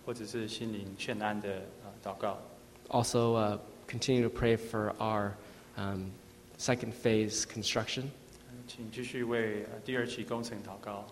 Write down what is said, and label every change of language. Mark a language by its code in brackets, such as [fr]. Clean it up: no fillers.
[zh] 那我们请大家能够继续为身体或者是心灵欠安的祷告。 [en] Also, continue to pray for our second phase construction. [zh] 请继续为第二期工程祷告。